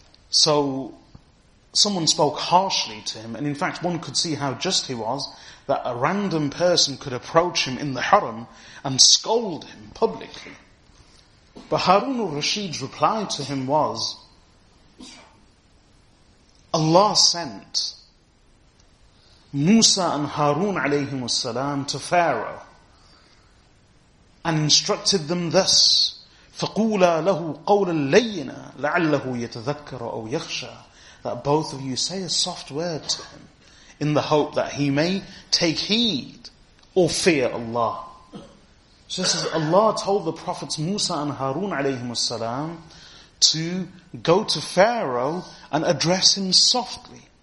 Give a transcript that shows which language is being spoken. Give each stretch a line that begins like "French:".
English: So someone spoke harshly to him, and in fact one could see how just he was, that a random person could approach him in the Haram and scold him publicly. But Harun al-Rashid's reply to him was, Allah sent Musa and Harun alayhim as-salam to Pharaoh and instructed them thus,
Arabic: فَقُولَا لَهُ قَوْلًا لَيِّنًا لَعَلَّهُ يَتَذَكَّرُ أَوْ يَخْشَى.
English: That both of you say a soft word to him in the hope that he may take heed or fear Allah. So this is Allah told the prophets Musa and Harun alayhim as-salam to go to Pharaoh and address him softly.